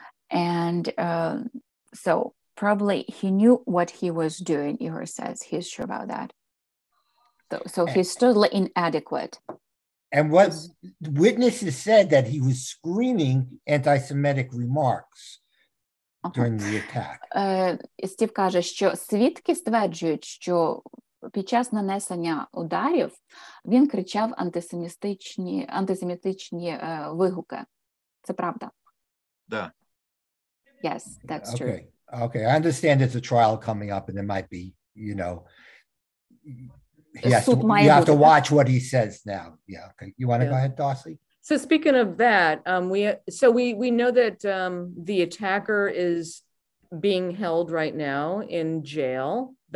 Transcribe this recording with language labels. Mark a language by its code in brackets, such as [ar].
[en] And so probably he knew what he was doing, Igor says. He's sure about that. So he's totally inadequate. And witnesses said that he was screaming anti-Semitic remarks during the attack. [uk] Стів каже, що свідки стверджують, що під час нанесення ударів він кричав антисемітичні вигуки. Це правда? [ru] Да. [en] Yes, that's true. Okay, I understand there's a trial coming up and there might be, you know, you have to watch what he says now. Yeah, okay. You want to go ahead, Darcy? So speaking of that, we know that the attacker is being held right now in jail.